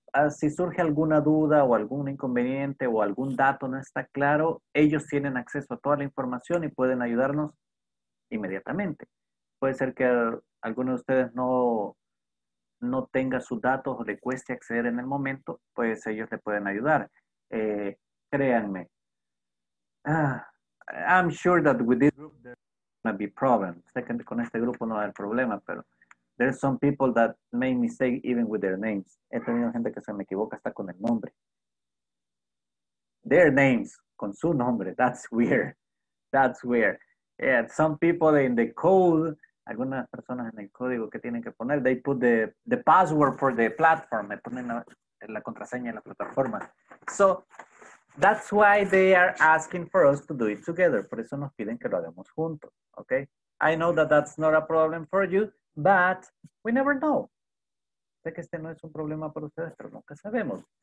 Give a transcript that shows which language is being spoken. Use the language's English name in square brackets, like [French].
[Spanish] si surge alguna duda o algún inconveniente o algún dato no está claro, ellos tienen acceso a toda la información y pueden ayudarnos inmediatamente. Puede ser que alguno de ustedes no tenga sus datos o le cueste acceder en el momento, pues ellos le pueden ayudar. Créanme. [English] I'm sure that with this group there won't be problems. [Spanish] Sé que con este grupo no va a haber problema, pero... [English] There's some people that make mistake even with their names. [Spanish] He tenido gente que se me equivoca hasta con el nombre. [English] Their names, [Spanish] con su nombre. [English] That's weird. And some people in the code, [Spanish] algunas personas en el código que tienen que poner, [English] they put the password for the platform. [Spanish] Me ponen la contraseña de la plataforma. [English] So, that's why they are asking for us to do it together. [Spanish] Por eso nos piden que lo hagamos juntos. [English] Okay? I know that that's not a problem for you. But we never know. [Spanish] Sé que este no es un problema para ustedes, pero nunca sabemos.